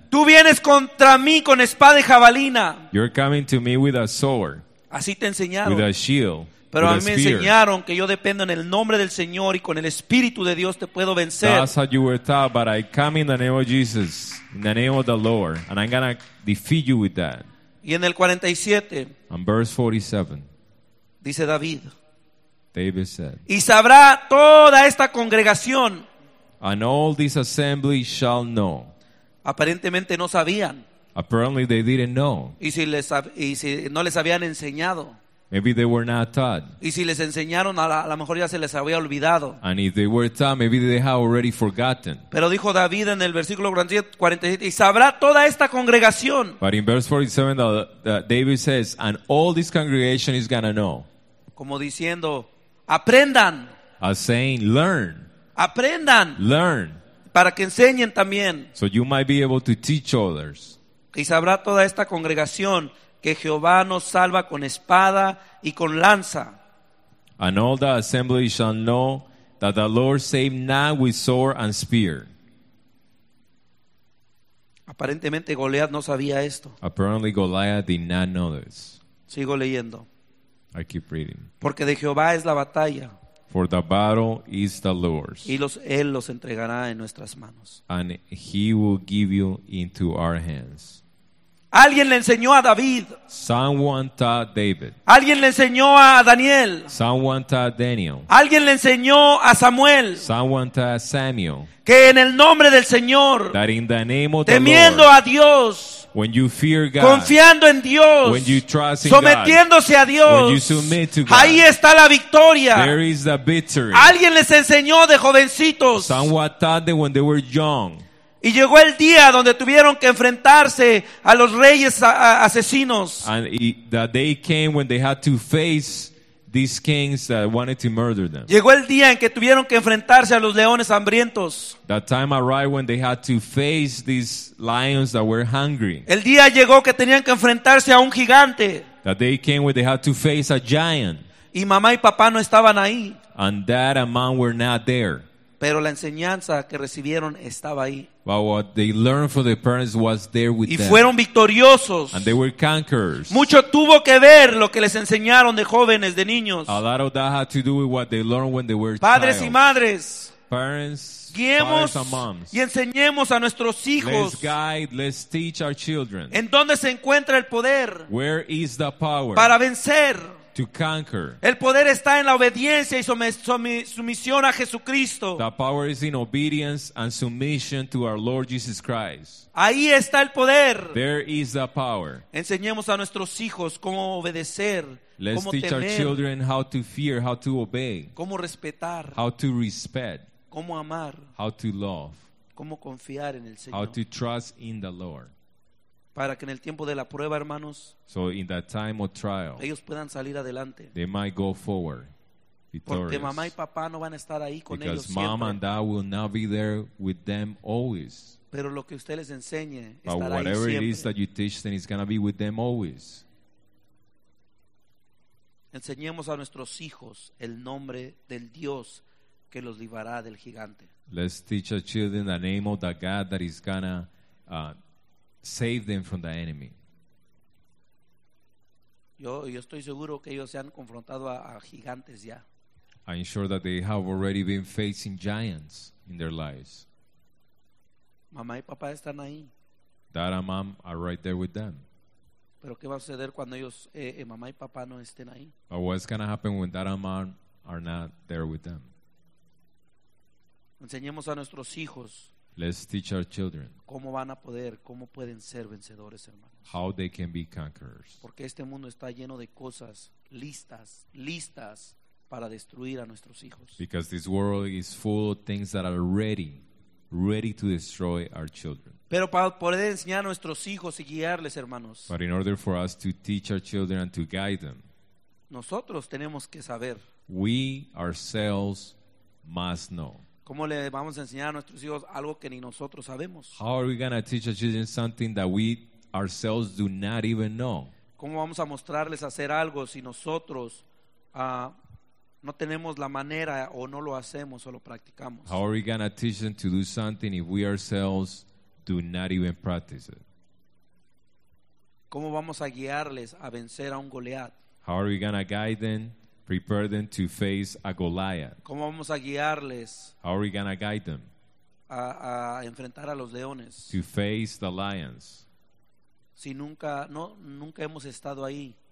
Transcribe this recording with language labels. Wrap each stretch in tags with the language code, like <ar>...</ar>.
<es>Tú vienes contra mí con espada y jabalina.</es> <en>You're coming to me with a sword.</en> <es>Así te enseñaron.</es> <en>With a shield.</en> <es>Pero</es> <en>with</en> <es>a mí me enseñaron que yo dependo en el nombre del Señor y con el Espíritu de Dios te puedo vencer.</es> <en>That's how you were taught, but I come in the name of Jesus, in the name of the Lord, and I'm gonna defeat you with that.</en> <es>Y en el 47.</es> <en>And verse 47.</en> <es>Dice David.</es> <en>David said,</en> <es>y sabrá toda esta congregación.</es> <en>And all this assembly shall know.</en> <es>Aparentemente no sabían.</es> <en>Apparently they didn't know.</en> <es>Y si no les habían enseñado.</es> <en>Maybe they were not taught.</en> <es>Y si les enseñaron, a lo mejor ya se les había olvidado.</es> <en>And if they were taught, maybe they had already forgotten.</en> <es>Pero dijo David en el versículo 47, y sabrá toda esta congregación.</es> <en>But in verse 47, David says, and all this congregation is going to know.</en> <es>Como diciendo, aprendan.</es> <en>As saying, learn.</en> <es>Aprendan.</es> <en>Learn.</en> <es>Para que enseñen también.</es> <en>So you might be able to teach others.</en> <es>Y sabrá toda esta congregación que Jehová nos salva con espada y con lanza.</es> <en>And all the assembly shall know that the Lord saved not with sword and spear.</en> <es>Aparentemente Goliat no sabía esto.</es> <en>Apparently Goliath did not know this.</en> <es>Sigo leyendo.</es> <en>I keep reading.</en> <es>Porque de Jehová es la batalla.</es> <en>For the battle is the Lord's.</en> <es>Y los, él los entregará en nuestras manos.</es> <en>And he will give you into our hands.</en> <es>Alguien le enseñó a David.</es> <en>Someone taught David.</en> <es>Alguien le enseñó a Daniel.</es> <en>Someone taught Daniel.</en> <es>Alguien le enseñó a Samuel.</es> <en>Someone taught Samuel.</en> <es>Que en el nombre del Señor,</es> <en>that in the name of</en> <es>temiendo</es> <en>the Lord,</en> <es>a Dios,</es> <en>when you fear God,</en> <es>confiando en Dios,</es> <en>when you trust in</en> <es>sometiéndose</es> <en>God,</en> <es>a Dios,</es> <en>when you submit to God,</en> <es>ahí está la victoria.</es> <en>There is the victory.</en> <es>Alguien les enseñó de jovencitos.</es> <en>Someone taught them when they were young.</en> <es>Y llegó el día donde tuvieron que enfrentarse a los reyes asesinos.</es> <en>And the day came when they had to face these kings that wanted to murder them.</en> <es>Llegó el día en que tuvieron que enfrentarse a los leones hambrientos.</es> <en>That time arrived when they had to face these lions that were hungry.</en> <es>El día llegó que tenían que enfrentarse a un gigante.</es> <en>That day came when they had to face a giant.</en> <es>Y mamá y papá no estaban ahí.</es> <en>And dad and mom were not there.</en> <es>Pero la enseñanza que recibieron estaba ahí.</es> <en>But what they learned from their parents was there with them.</en> <es>Y fueron victoriosos.</es> <en>And they were conquerors.</en> <es>Mucho tuvo que ver lo que les enseñaron de jóvenes, de niños.</es> <en>A lot of that had to do with what they learned when they were children.</en> <es>Padres y madres.</es> <en>Parents.</en> <es>Guiemos</es> <en>fathers and moms.</en> <es>Y enseñemos a nuestros hijos.</es> <en>Let's guide, let's teach our children.</en> <es>¿En dónde se encuentra el poder?</es> <en>Where is the power?</en> <es>Para vencer.</es> <en>To conquer.</en> <es>El poder está en la obediencia y sumisión a Jesucristo.</es> <en>The power is in obedience and submission to our Lord Jesus Christ.</en> <es>Ahí está el poder.</es> <en>There is the power.</en> <es>Enseñemos a nuestros hijos cómo obedecer.</es> <en>Let's</en> <es>cómo</es> <en>teach</en> <es>temer,</es> <en>our children how to fear, how to obey.</en> <es>Cómo respetar.</es> <en>How to respect.</en> <es>Cómo amar.</es> <en>How to love.</en> <es>Cómo confiar en el Señor.</es> <en>How to trust in the Lord.</en> <es>Para que en el tiempo de la prueba, hermanos,</es> <en>so in that time of trial,</en> <es>ellos puedan salir adelante.</es> <en>They might go forward victorious.</en> <es>Porque mamá y papá no van a estar ahí con</es> <en>because</en> <es>ellos siempre.</es> <en>Mom and dad will not be there with them always.</en> <es>Pero lo que usted les enseñe</es> <en>but</en> <es>estará ahí siempre.</es> <en>Whatever it is that you teach them is going to be with them always.</en> <es>Enseñemos a nuestros hijos el nombre del Dios que los librará del gigante.</es> <en>Let's teach our children the name of the God that is going to save them from the enemy.</en> <es>Yo estoy seguro que ellos se han confrontado a gigantes ya.</es> <en>I'm sure that they have already been facing giants in their lives.</en> <es>Mamá y papá están ahí.</es> <en>Dad and mom are right there with them.</en> <es>Pero qué va a suceder cuando ellos mamá y papá no estén ahí.</es> <en>But what's going to happen when dad and mom are not there with them?</en> <es>Enseñemos a nuestros hijos.</es> <en>Let's teach our children.</en> <es>¿Cómo van a poder, cómo pueden ser vencedores, hermanos?</es> <en>How they can be conquerors.</en> <es>Porque este mundo está lleno de cosas listas, listas para destruir a nuestros hijos.</es> <en>Because this world is full of things that are ready, ready to destroy our children.</en> <es>Pero para poder enseñar a nuestros hijos y guiarles, hermanos.</es> <en>But in order for us to teach our children and to guide them.</en> <es>Nosotros tenemos que saber.</es> <en>We ourselves must know.</en> <es>¿Cómo le vamos a enseñar a nuestros hijos algo que ni nosotros sabemos?</es> <en>How are we going to teach our children something that we ourselves do not even know?</en> <es>¿Cómo vamos a mostrarles a hacer algo si nosotros no tenemos la manera o no lo hacemos o lo practicamos?</es> <en>How are we going to teach them to do something if we ourselves do not even practice it?</en> <es>¿Cómo vamos a guiarles a vencer a un Goliat?</es> <en>How are we going to guide them? Prepare them to face a Goliath.</en> <es>¿Cómo vamos a guiarles?</es> <en>How are we going to guide them?</en> <es>A enfrentar a los leones.</es> <en>To face the lions.</en> <es>Si nunca hemos estado ahí.</es>